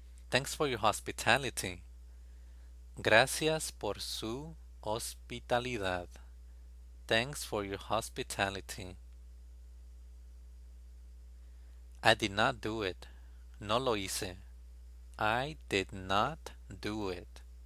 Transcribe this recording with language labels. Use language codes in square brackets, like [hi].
[en] Thanks for your hospitality. [es] Gracias por su hospitalidad. [en] Thanks for your hospitality. I did not do it. [es] No lo hice. [en] I did not do it.